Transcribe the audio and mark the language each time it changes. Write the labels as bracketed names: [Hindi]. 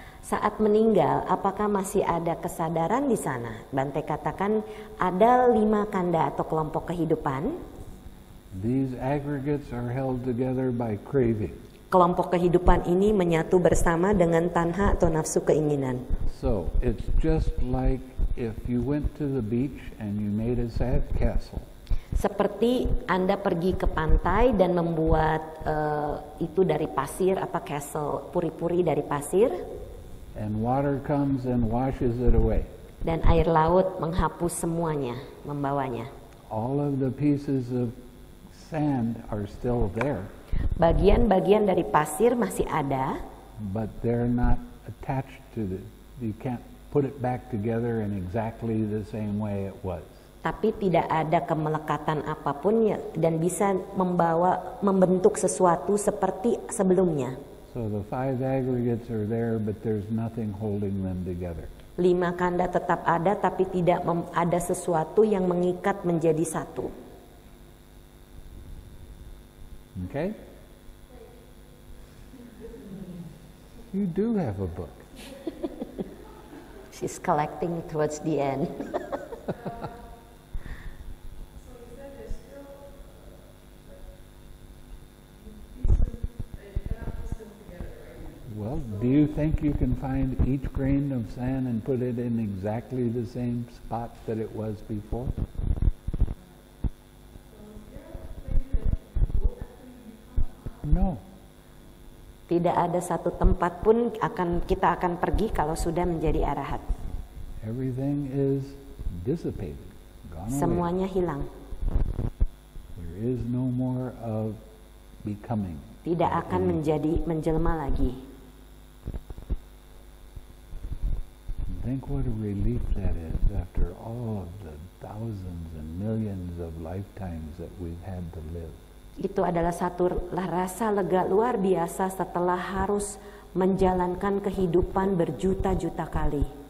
[Indonesian] Saat meninggal, apakah masih ada kesadaran di sana? Bante katakan ada lima kanda atau kelompok kehidupan. [English] These aggregates are held together by craving. [Indonesian] Kelompok kehidupan ini menyatu bersama dengan tanha atau nafsu keinginan. [English] So, it's just like if you went to the beach and you made a sad castle. [Indonesian] Seperti Anda pergi ke pantai dan membuat itu dari pasir apa castle, puri-puri dari pasir. [English] And water comes and washes it away. [Indonesian] Dan air laut menghapus semuanya, membawanya. [English] All of the pieces of sand are still there. [Indonesian] Bagian-bagian dari pasir masih ada. [English] But they're not attached to the, you can't put it back together in exactly the same way it was. [Indonesian] Tapi tidak ada kemelekatan apapun dan bisa membentuk sesuatu seperti sebelumnya. [English] So the five aggregates are there, but there's nothing holding them together. [Indonesian] Lima kanda tetap ada, tapi tidak ada sesuatu yang mengikat menjadi satu. [English] Okay. You do have a book. She's collecting towards the end. Well, do you think you can find each grain of sand and put it in exactly the same spot that it was before? [Indonesian] Tidak ada satu tempat pun akan kita akan pergi kalau sudah menjadi arahat. [English] Everything is dissipated, gone away. [Indonesian] Semuanya hilang. [English] There is no more of becoming. [Indonesian] Tidak akan menjadi menjelma lagi. [English] Think what a relief that is after all of the thousands and millions of lifetimes that we've had to live. [Indonesian] Itu adalah satu rasa lega luar biasa setelah harus menjalankan kehidupan berjuta-juta kali.